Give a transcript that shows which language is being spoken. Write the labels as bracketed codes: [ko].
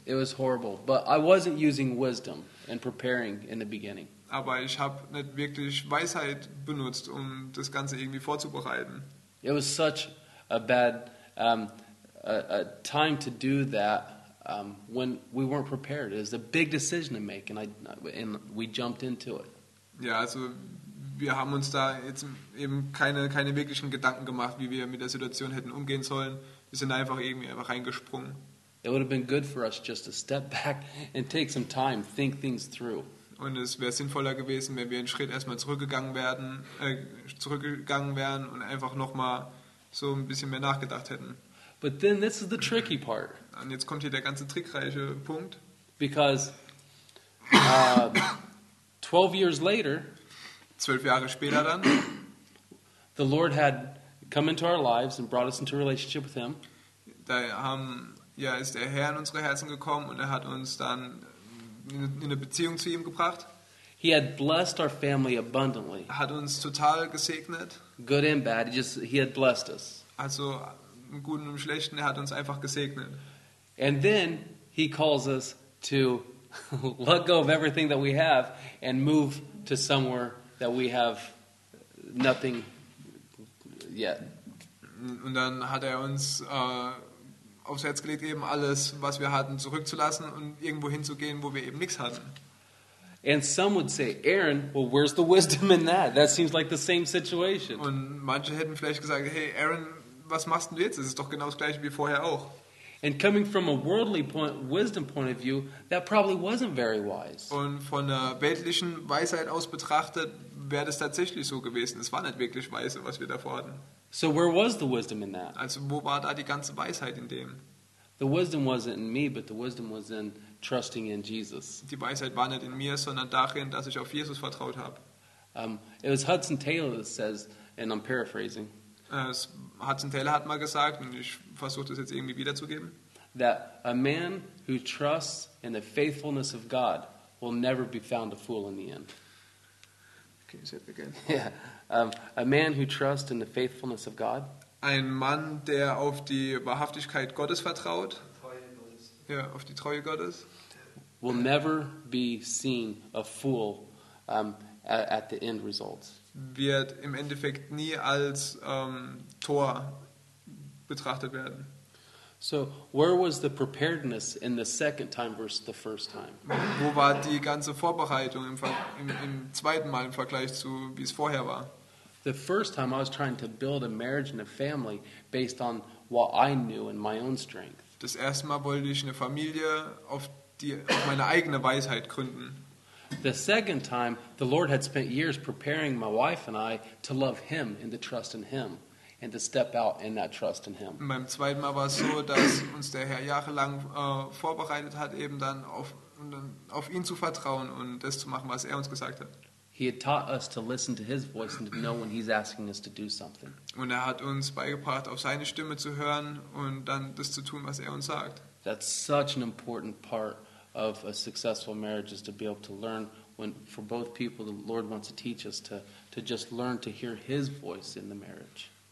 [en] It was horrible, but I wasn't using wisdom and preparing in the beginning. [de] Aber ich habe nicht wirklich Weisheit benutzt, um das Ganze irgendwie vorzubereiten. [en] It was such a bad a time to do that. When we weren't prepared, it was a big decision to make, and we jumped into it. [de] Ja, also wir haben uns da jetzt eben keine wirklichen Gedanken gemacht, wie wir mit der Situation hätten umgehen sollen. Wir sind einfach reingesprungen. [en] It would have been good for us just to step back and take some time, think things through. [de] Und es wäre sinnvoller gewesen, wenn wir einen Schritt erstmal zurückgegangen wären und einfach nochmal so ein bisschen mehr nachgedacht hätten. [en] But then this is the tricky part. [de] Und jetzt kommt hier der ganze trickreiche Punkt. [en] Because 12 years later, [de] 12 Jahre später dann, [en] the Lord had come into our lives and brought us into a relationship with Him. [de] Da ist der Herr in unsere Herzen gekommen und er hat uns dann in eine Beziehung zu ihm gebracht. [en] He had blessed our family abundantly. [de] Hat uns total gesegnet. [en] Good and bad, he had blessed us. [de] Also im Guten und im Schlechten, er hat uns einfach gesegnet. [en] And then he calls us to let go of everything that we have and move to somewhere that we have nothing yet. [de] Und dann hat er uns aufs Herz gelegt, eben alles, was wir hatten, zurückzulassen und irgendwo hinzugehen, wo wir eben nichts hatten. [en] And some would say, Aaron, well, where's the wisdom in that? That seems like the same situation. [de] Und manche hätten vielleicht gesagt, hey, Aaron, was machst du jetzt? Es ist doch genau das Gleiche wie vorher auch. [en] And coming from a worldly wisdom point of view, that probably wasn't very wise. [de] Und von einer weltlichen Weisheit aus betrachtet, wäre das tatsächlich so gewesen. Es war nicht wirklich weise, was wir davor hatten. [en] So where was the wisdom in that? [de] Also wo war da die ganze Weisheit in dem? [en] The wisdom wasn't in me, but the wisdom was in trusting in Jesus. [de] Die Weisheit war nicht in mir, sondern darin, dass ich auf Jesus vertraut habe. [en] It was Hudson Taylor that says, and I'm paraphrasing. [de] Hudson Taylor hat mal gesagt, und ich versuche das jetzt irgendwie wiederzugeben. [en] That a man who trusts in the faithfulness of God will never be found a fool in the end. Can you say it again? Yeah. A man who trusts in the faithfulness of God. [de] Ein Mann, der auf die Wahrhaftigkeit Gottes vertraut. Ja, auf die Treue Gottes. [en] Will never be seen a fool at the end results. [de] Wird im Endeffekt nie als Tor betrachtet werden. [en] So, where was the preparedness in the second time versus the first time? [de] Wo war die ganze Vorbereitung im zweiten Mal im Vergleich zu wie es vorher war? [en] The first time I was trying to build a marriage and a family based on what I knew and my own strength. [de] Das erste Mal wollte ich eine Familie auf meine eigene Weisheit gründen. [en] The second time, the Lord had spent years preparing my wife and I to love Him and to trust in Him. And to step out in that trust in Him. [de] Beim zweiten Mal war es so, dass uns der Herr jahrelang vorbereitet hat, eben dann auf ihn zu vertrauen und das zu machen, was er uns gesagt hat. [en] He had taught us to listen to His voice and to know when He's asking us to do something. [de] Und er hat uns beigebracht, auf seine Stimme zu hören und dann das zu tun, was er uns sagt. [en] That's such an important part of a successful marriage is to be able to learn when for both people the Lord wants to teach us to just learn to hear His voice in the marriage.